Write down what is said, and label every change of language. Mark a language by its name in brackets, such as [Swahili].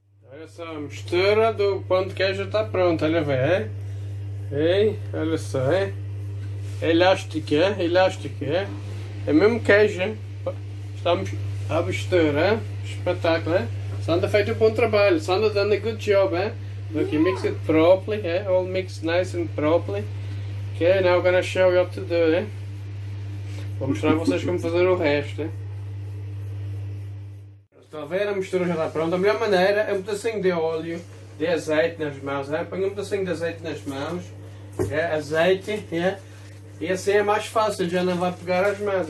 [Portuguese] Olha só, a mistura do pão de queijo está pronta, olha vê, é? É, olha só, é? É elástico, é? Elástico, é? É mesmo queijo, é? Estamos a mistura, é? Espetáculo, é? Santa fez um bom trabalho, [English] Santa done a good job, [Portuguese] é? [English] Look, you mix it properly, é? All mixed nice and properly. Okay, now we're gonna show you how to do, é? [Portuguese] Vou mostrar a vocês como fazer o resto, é? Estão a ver, a mistura já está pronta. A melhor maneira é um pedacinho de óleo, de azeite nas mãos. É? Põe um pedacinho de azeite nas mãos. É? Azeite. É? E assim é mais fácil, já não vai pegar as mãos.